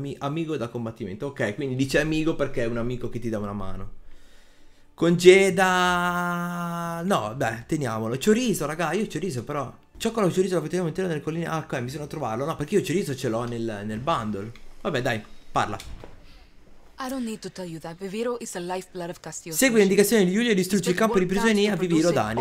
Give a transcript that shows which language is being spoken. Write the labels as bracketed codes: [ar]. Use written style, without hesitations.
[it] Amigo da combattimento, ok, quindi dice amico perché è un amico che ti dà una mano. Congeda... No, beh, teniamolo. Chorizo, raga, io chorizo, però... Cioccolato e chorizo lo potevamo mettere nelle colline. Ah, qua, bisogna trovarlo. No, perché io chorizo ce l'ho nel bundle. Vabbè, dai, parla. [en] I don't need to tell you that Viviro is the lifeblood of Castillo. [it] Segui le indicazioni di Giulio e distruggi il campo di prigionia a Viviro Dani.